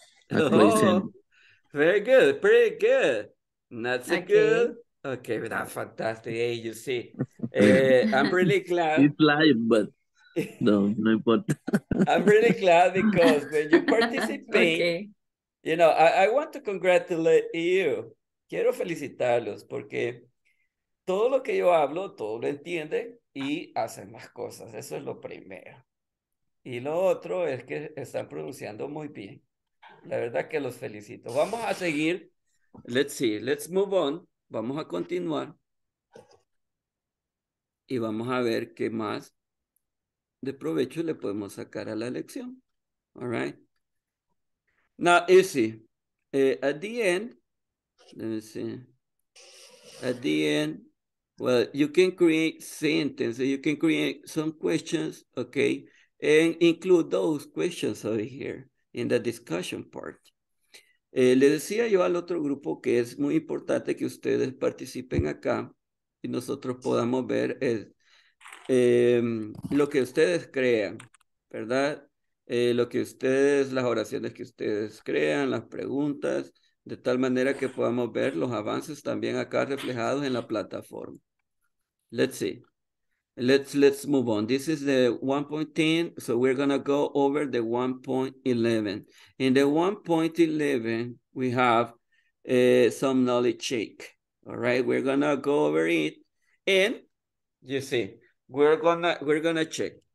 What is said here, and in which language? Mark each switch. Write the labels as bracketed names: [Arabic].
[English] Very good, pretty good. Not so good. Okay, but that's fantastic. Hey, you see, I'm really glad. It's live, but. No important. I'm really glad because when you participate, okay. You know, I want to congratulate you. [Spanish] Quiero felicitarlos porque todo lo que yo hablo, todo lo entienden y hacen las cosas. Eso es lo primero. Y lo otro es que están pronunciando muy bien. La verdad que los felicito. Vamos a seguir. [English] Let's see. Let's move on. [Spanish] Vamos a continuar. Y vamos a ver qué más de provecho le podemos sacar a la lección. [English] All right. Now, Izzy, at the end, let me see. at the end, well, you can create sentences, you can create some questions, okay, and include those questions over here in the discussion part. [Spanish] Le decía yo al otro grupo que es muy importante que ustedes participen acá y nosotros podamos ver lo que ustedes crean, ¿verdad? Lo que ustedes, las oraciones que ustedes crean, las preguntas, de tal manera que podamos ver los avances también acá reflejados en la plataforma. [English] Let's see. Let's move on. This is the 1.10, so we're going to go over the 1.11. In the 1.11, we have some knowledge check. All right, we're going to go over it. And you see, we're going to check.